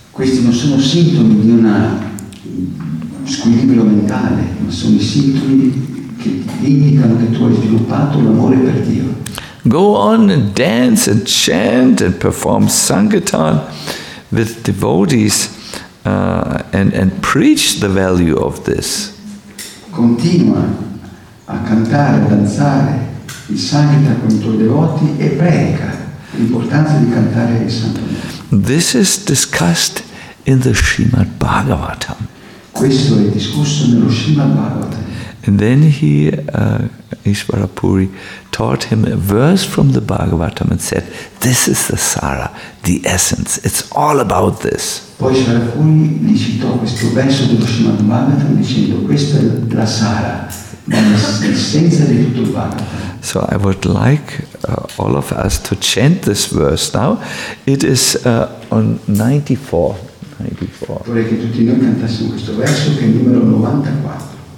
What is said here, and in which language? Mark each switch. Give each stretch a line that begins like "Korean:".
Italian: Questi non sono sintomi di una squilibrio mentale, ma sono i sintomi che indicano che tu hai sviluppato l'amore per Dio.
English: Go on and dance and chant and perform sankirtan with devotees and preach the value of this.
Italian: Continua a cantare, a danzare il sankirtan con i tuoi devoti e predica l'importanza di cantare il santo nome.
English: This is discussed in the Srimad Bhagavatam.
Italian: Questo è discusso nello Srimad Bhagavatam.
English: And then he, Ishvara Puri, taught him a verse from the Bhagavatam and said, "This is the sara, the essence. It's all about this."
Italian: Poi Ishvara Puri gli citò questo verso dello Srimad Bhagavatam dicendo, "Questa è la sara, l'essenza di tutto il Bhagavatam."
English: So I would like all of us to chant this verse now. It is on 94.
Italian: Vorrei che tutti noi cantassimo questo verso che è il numero 94.